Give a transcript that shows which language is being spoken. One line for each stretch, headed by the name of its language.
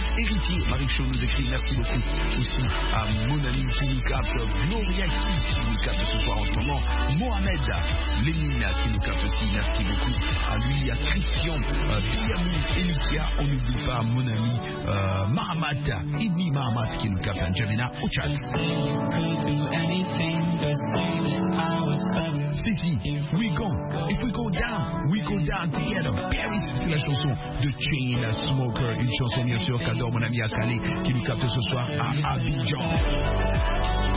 French: Héritier Marie Chou nous écrit merci beaucoup aussi à mon ami qui nous capte, Gloria qui nous capte ce soir en ce moment, Mohamed Lénina qui nous capte aussi, merci beaucoup à lui, à Christian, Piamou, Elikia, on n'oublie pas mon ami Mahamat, Ibni Mahamat qui nous capte, Jamina, au chat.
English: Stacy, we go down together.
French: Paris, c'est la chanson de Chain the Smoker, une chanson bien sûr qu'adore mon ami Akali qui nous capte ce soir à Abidjan.